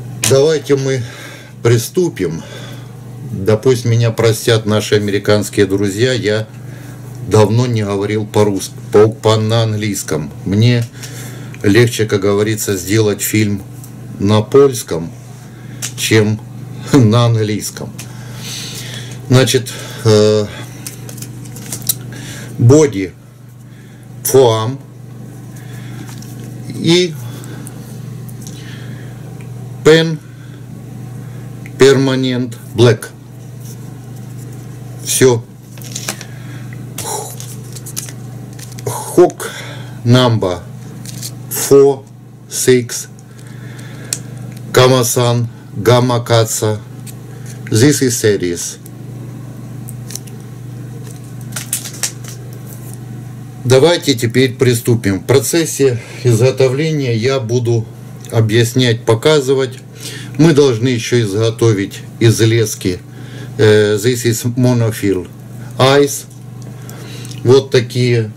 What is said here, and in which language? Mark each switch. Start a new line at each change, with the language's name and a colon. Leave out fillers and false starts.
Russian: Давайте мы приступим. Да пусть меня простят наши американские друзья, я давно не говорил по-английскому. Мне легче, как говорится, сделать фильм на польском, чем на английском.
English: Значит, body, foam, и pen, permanent, black.
Russian: Все.
English: Hook number 4, 6, Kamasan, Gamakatsa, this is series.
Russian: Давайте теперь приступим. В процессе изготовления я буду объяснять, показывать. Мы должны еще изготовить из лески.
English: This is monofill eyes.
Russian: Вот такие.